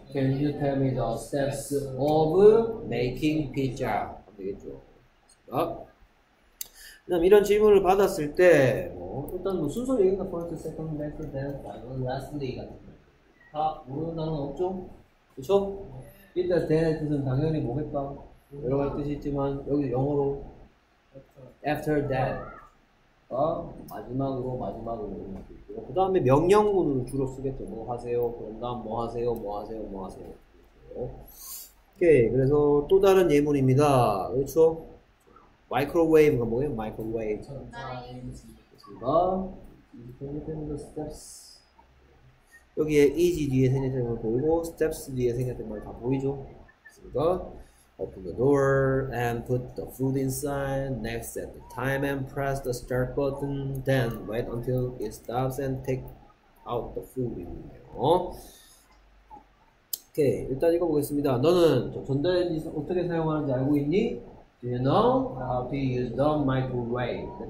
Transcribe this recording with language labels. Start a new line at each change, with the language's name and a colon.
English: can you tell me the steps of making pizza
Korean: 되겠죠. 그 다음 이런 질문을 받았을 때 뭐 일단 뭐 순서 얘기가 first, second, next, then, final, last, day 같은 거 다 모르는 단어는 없죠? 그쵸? 일단 then의 뜻은 당연히 뭐겠다 여러 가지 뜻이 있지만 여기 영어로
English: after that
Korean: 어? 마지막으로 마지막으로 그 다음에 명령문을 주로 쓰겠죠 뭐 하세요 그럼 난 뭐 하세요 뭐 하세요 뭐 하세요 오케이 그래서 또 다른 예문입니다 그쵸? 마이크로웨이브가 뭐예요? 마이크로웨이브 전자레인지 그렇습니다. steps 여기에 easy 뒤에 생겼던 걸 보이고 steps 뒤에 생겼던 걸 다 보이죠?
English: 그렇습니다. open the door and put the food inside next set the time and press the start button then wait until it stops and take out the food
Korean: 오케이 일단 읽어보겠습니다. 너는 전자레인지 어떻게 사용하는지 알고 있니?
English: Do you know how to use the microwave?